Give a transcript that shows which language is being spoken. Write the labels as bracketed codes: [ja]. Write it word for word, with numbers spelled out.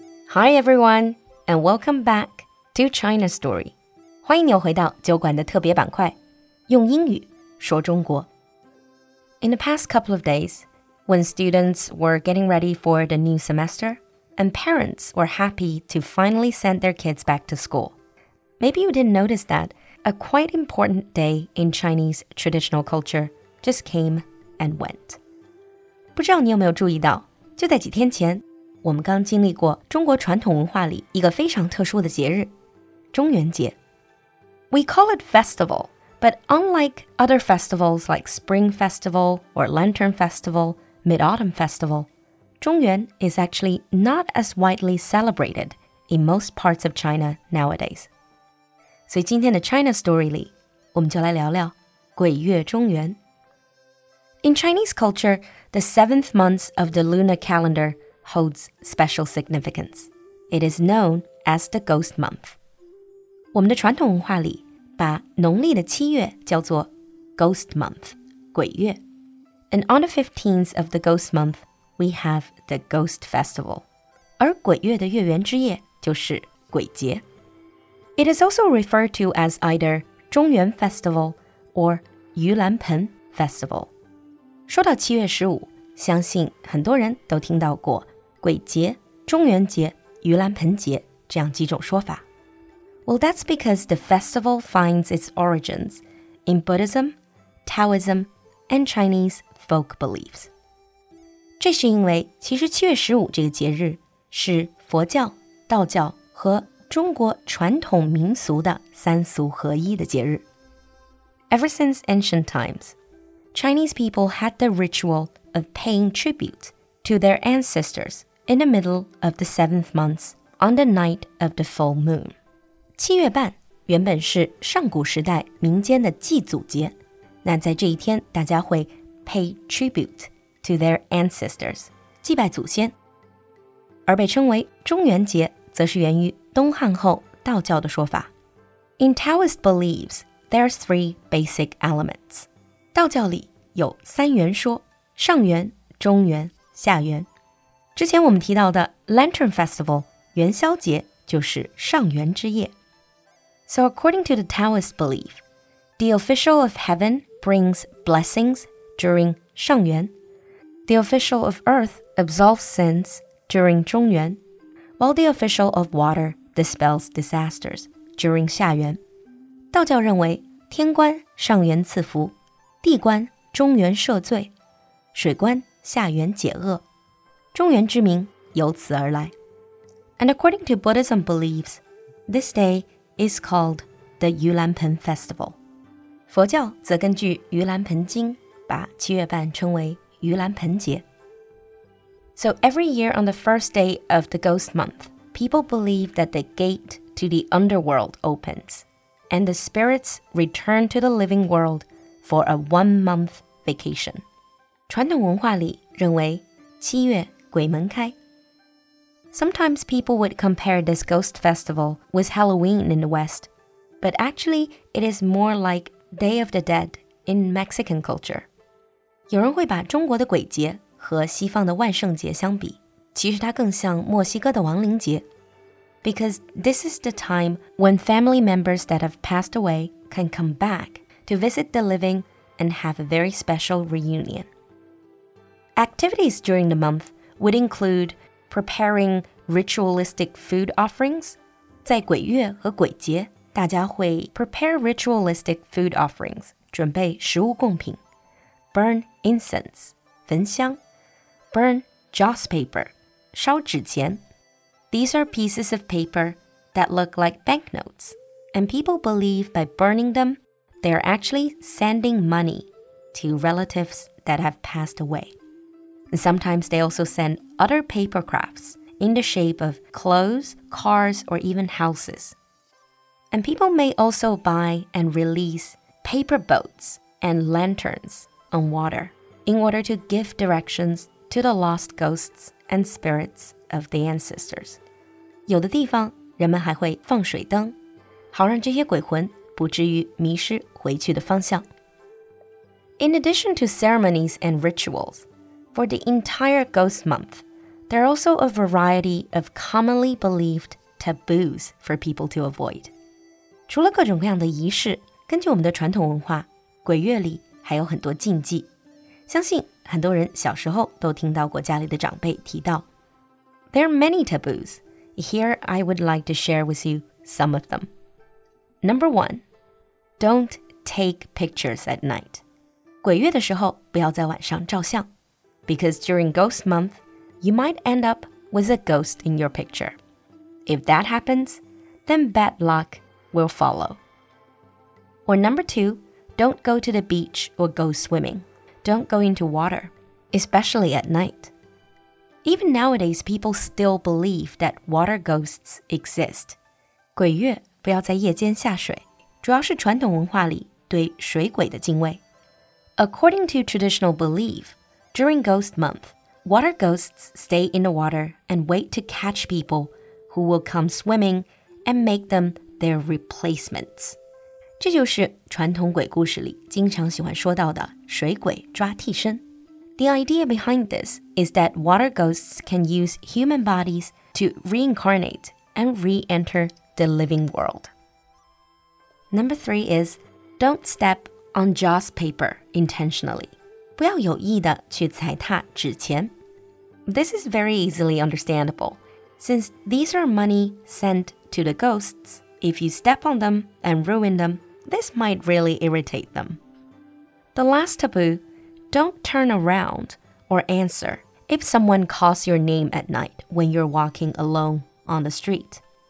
[en] Hi everyone, and welcome back to China Story. [zh] 欢迎你回到酒馆的特别板块，用英语说中国。 [en] In the past couple of days, when students were getting ready for the new semester, and parents were happy to finally send their kids back to school. Maybe you didn't notice that a quite important day in Chinese traditional culture just came and went. [zh] 不知道你有没有注意到，就在几天前，我们刚经历过中国传统文化里一个非常特殊的节日——中元节。 [en] We call it festival, but unlike other festivals like Spring Festival or Lantern Festival, Mid-Autumn Festival, 中元 is actually not as widely celebrated in most parts of China nowadays. [zh] 所以今天的 China Story 里，我们就来聊聊鬼月中元。 [en] In Chinese culture, the seventh month of the lunar calendar holds special significance. It is known as the Ghost Month. [zh] 我们的传统文化里把农历的七月叫做 Ghost Month, 鬼月。 [en] And on the fifteenth of the Ghost Month, we have the Ghost Festival. [zh] 而鬼月的月圆之夜就是鬼节。 [en] It is also referred to as either 中元 Festival or 盂兰盆 Festival. [zh] 说到七月十五，相信很多人都听到过鬼节、中元节、盂兰盆节这样几种说法。 [en] Well, that's because the festival finds its origins in Buddhism, Taoism, and Chinese folk beliefs. [zh] 这是因为其实七月十五这个节日是佛教、道教和中国传统民俗的三俗合一的节日。 [en] Ever since ancient times, Chinese people had the ritual of paying tribute to their ancestors in the middle of the seventh month on the night of the full moon. [zh] 七月半原本是上古时代民间的祭祖节，那在这一天大家会 [en] pay tribute to their ancestors, [zh] 祭拜祖先。而被称为中元节则是源于东汉后道教的说法。 [en] In Taoist beliefs, there are three basic elements. [zh] 道教里有三元说，上元、中元、下元。之前我们提到的 Lantern Festival 元宵节就是上元之夜。 [en] So according to the Taoist belief, the official of heaven brings blessings during 上元, the official of earth absolves sins during 中元, while the official of water dispels disasters during 下元。 [zh] 道教认为天官上元赐福，地官中元赦罪，水官下元解厄，中元之名由此而来。 [en] And according to Buddhism beliefs, this day is called the 盂兰盆 Festival. [zh] 佛教则根据盂兰盆经把七月半称为盂兰盆节。 [en] So every year on the first day of the Ghost Month, people believe that the gate to the underworld opens, and the spirits return to the living world for a one-month vacation. [zh] 传统文化里认为七月鬼门开。 [en] Sometimes people would compare this ghost festival with Halloween in the West, but actually it is more like Day of the Dead in Mexican culture. [zh] 有人会把中国的鬼节和西方的万圣节相比，其实它更像墨西哥的亡灵节。 [en] Because this is the time when family members that have passed away can come back to visit the living and have a very special reunion. Activities during the month would include preparing ritualistic food offerings. [zh] 在鬼月和鬼节，大家会 [en] prepare ritualistic food offerings, [zh] 准备食物贡品。 [en] Burn incense, [zh] 焚香。 [en] Burn joss paper, [zh] 烧纸钱。 [en] These are pieces of paper that look like banknotes, and people believe by burning them, they are actually sending money to relatives that have passed away.Sometimes they also send other paper crafts in the shape of clothes, cars, or even houses. And people may also buy and release paper boats and lanterns on water in order to give directions to the lost ghosts and spirits of the ancestors. [zh] 有的地方人们还会放水灯，好让这些鬼魂不至于迷失回去的方向。 [en] In addition to ceremonies and rituals, for the entire Ghost Month, there are also a variety of commonly believed taboos for people to avoid. [zh] 除了各种各样的仪式，根据我们的传统文化，鬼月里还有很多禁忌。相信很多人小时候都听到过家里的长辈提到。 [en] There are many taboos. Here I would like to share with you some of them. Number one, don't take pictures at night. [zh] 鬼月的时候不要在晚上照相。 [en] Because during Ghost Month, you might end up with a ghost in your picture. If that happens, then bad luck will follow. Or number two, don't go to the beach or go swimming. Don't go into water, especially at night. Even nowadays, people still believe that water ghosts exist. [zh] 鬼月不要在夜间下水，主要是传统文化里对水鬼的敬畏。 [en] According to traditional belief, during Ghost Month, water ghosts stay in the water and wait to catch people who will come swimming and make them their replacements. [zh] 这就是传统鬼故事里经常喜欢说到的水鬼抓替身。 [en] The idea behind this is that water ghosts can use human bodies to reincarnate and re-enter the living world. Number three is, don't step on joss paper intentionally. [zh] 不要有意地去踩踏纸钱。 [en] This is very easily understandable, since these are money sent to the ghosts. If you step on them and ruin them,This might really irritate them. The last taboo, don't turn around or answer if someone calls your name at night when you're walking alone on the street.